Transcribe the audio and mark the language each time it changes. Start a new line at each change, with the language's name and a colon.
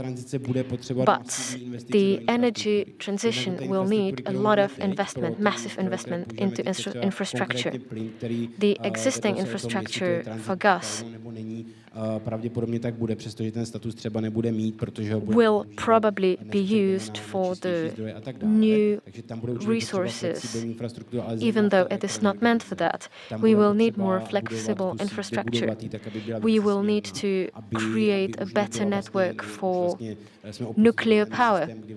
English: But the energy transition will need a lot of investment, massive investment into infrastructure. The existing infrastructure for gas
Czech: pravděpodobně tak bude, přestože ten status třeba nebude mít, protože ho bude
English: will probably be used for the new resources, even though it is not meant for that. We will need more flexible infrastructure. We will need to create a better network for nuclear power.